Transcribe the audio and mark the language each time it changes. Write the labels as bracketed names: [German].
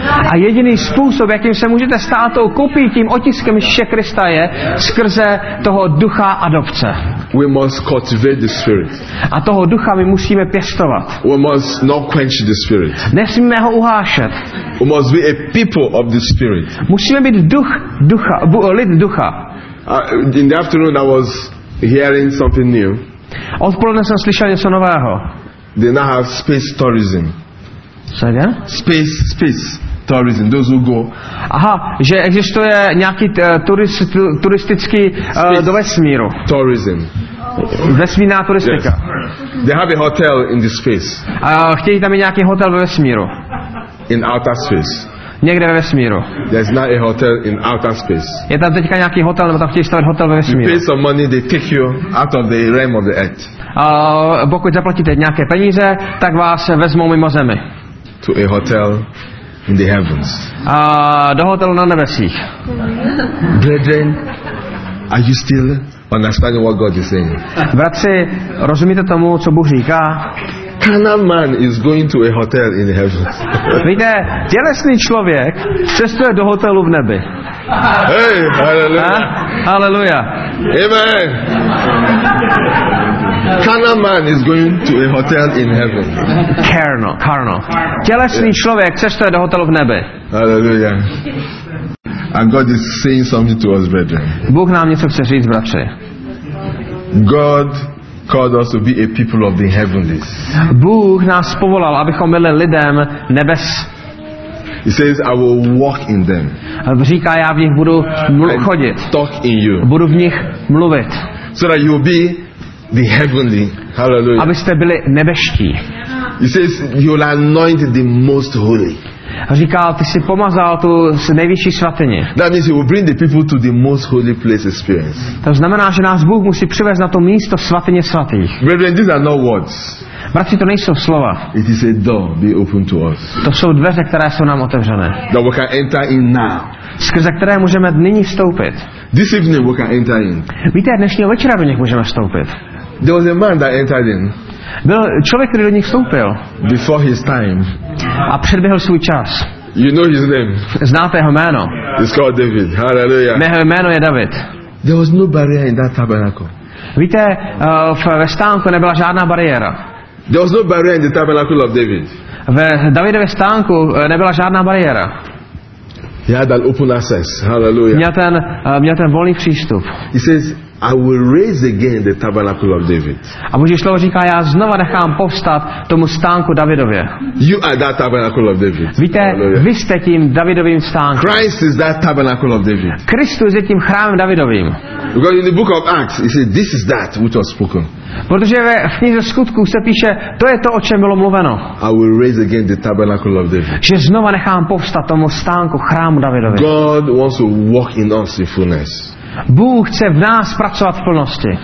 [Czech] A jediný způsob, jakým se můžete stát tou kopií, tím otiskem Ježíše Krista, je skrze toho ducha adopce. [English] We must cultivate the spirit. [Czech] A toho ducha my musíme pěstovat. [English] We must not quench the spirit. [Czech] Nesmíme ho uhášet. [English] We must be a people of the spirit. [Czech] Musíme být lid ducha. [English] In the afternoon I was hearing something new. [Czech] Odpoledne jsem slyšel něco nového. [English] They now have space tourism. Sorry? Space tourism. Those who go. [Czech] Aha, že existuje nějaký turistický do vesmíru. [English] Tourism. [Czech] Vesmírná turistika. [English] Yes. They have a hotel in the space. [Czech] A chtějí tam nějaký hotel ve vesmíru. [English] In outer space. [Czech] Někde ve vesmíru. [English] There's not a hotel in outer space. [Czech] Je tam teďka nějaký hotel, nebo tam chtějí stavit hotel ve vesmíru. [English] You pay some money, they take you out of the realm of the earth. [Czech] Pokud zaplatíte nějaké peníze, tak vás vezmou mimo zemi. [English] To a hotel in the heavens. [Czech] Do hotelu na nebesích. [English] Brethren, are you still understanding what God is saying? [Czech] Bratři, rozumíte tomu, co Bůh říká? [English] Carnal man is going to a hotel in heaven. [Czech] Víte, tělesný člověk cestuje do hotelu v nebi. [English] Hey, hallelujah. Hallelujah. Amen. Carnal man is going to a hotel in heaven. Carnal. [Czech] Tělesný člověk cestuje do hotelu v nebi. Hallelujah. [English] And God is saying something to us, brethren. [Czech] Bůh nám něco chce říct, bratře. [English] God called us to be a people of the heavenlies. [Czech] Bůh nás povolal, abychom byli lidem nebes. [English] He says, I will walk in them. [Czech] Říká, já v nich budu chodit. [English] Talk in you. [Czech] Budu v nich mluvit. [English] So that you will be the heavenly. Hallelujah. [Czech] Abyste byli nebeští. [English] He says, you will anoint the most holy. [Czech] Říká, ty jsi pomazal tu nejvyšší svatyni. [English] That means he will bring the people to the most holy place experience. [Czech] To znamená, že nás Bůh musí přivést na to místo svatyně svatých. [English] Brethren, these are not words. [Czech] Bratři, to nejsou slova. [English] It is a door be open to us. [Czech] To jsou dveře, které jsou nám otevřené. [English] That we can enter in now. [Czech] Skrze které můžeme nyní vstoupit. [English] This evening we can enter in. [Czech] Víte, dnešního večera do nich můžeme vstoupit. [English] There was a man that entered in. [Czech] Byl člověk, který do nich vstoupil. [English] Before his time. [Czech] A předběhl svůj čas. [English] You know his name. [Czech] Znáte jeho jméno. [English] It's called David. Hallelujah. [Czech] Jeho jméno je David. [English] There was no barrier in that tabernacle. [Czech] Víte, ve stánku nebyla žádná bariéra. [English] There was no barrier in the tabernacle of David. [Czech] Ve Davidově stánku nebyla žádná bariéra. [English] He had an open access. Hallelujah. [Czech] Měl ten volný přístup. [English] He says, I will raise again the tabernacle of David. [Czech] A Boží slovo říká, já znova nechám povstat tomu stánku Davidově. [English] You are that tabernacle of David. [Czech] Víte, hallelujah. Vy jste tím Davidovým stánkem. [English] Christ is that tabernacle of David. [Czech] Kristus je tím chrámem Davidovým. [English] Because in the book of Acts, he said, this is that which was spoken. [Czech] Protože v knize skutků se píše, to je to, o čem bylo mluveno. [English] I will raise again the tabernacle of David. [Czech] Že znova nechám povstat tomu stánku chrámu Davidově. [English] God wants to walk in us in fullness. [Czech] Bůh chce v nás pracovat v plnosti.